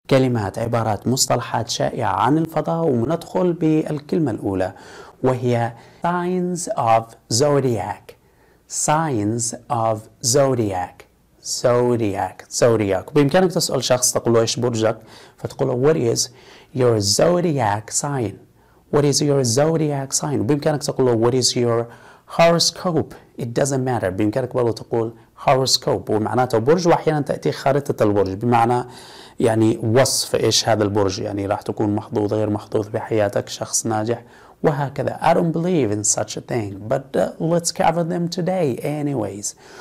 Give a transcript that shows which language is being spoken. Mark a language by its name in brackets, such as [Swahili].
[Arabic] كلمات عبارات مصطلحات شائعة عن الفضاء. وندخل بالكلمة الأولى وهي signs of zodiac. [English] signs of zodiac. zodiac. zodiac. [Arabic] بإمكانك تسأل شخص تقول له إيش برجك، فتقول له [English] what is your zodiac sign. what is your zodiac sign. [Arabic] بإمكانك تقول له [English] what is your horoscope. it doesn't matter. [Arabic] بإمكانك برضو تقول horoscope ومعناته برج، وأحيانا تأتي خارطة البرج بمعنى يعني وصف إيش هذا البرج، يعني راح تكون محظوظ غير محظوظ بحياتك، شخص ناجح وهكذا. [English] I don't believe in such a thing, but let's cover them today anyways.